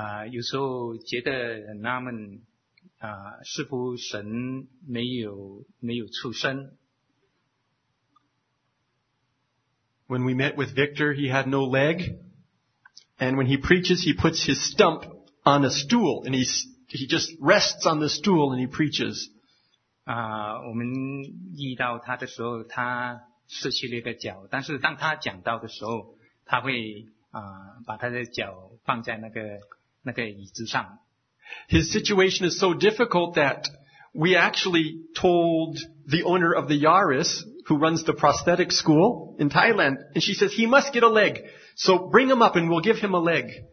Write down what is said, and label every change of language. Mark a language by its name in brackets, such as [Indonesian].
[Chinese] 有时候觉得很纳闷。似乎神没有出声。 [English] When we met with Victor, he had no leg. And when he preaches, he puts his stump on a stool. And he just rests on the stool and he preaches. [Chinese] 我们遇到他的时候，他失去了一个脚。但是当他讲到的时候，他会把他的脚放在那个椅子上。 [English] His situation is so difficult that we actually told the owner of the Yaris, who runs the prosthetic school in Thailand, and she says, he must get a leg, so bring him up and we'll give him a leg.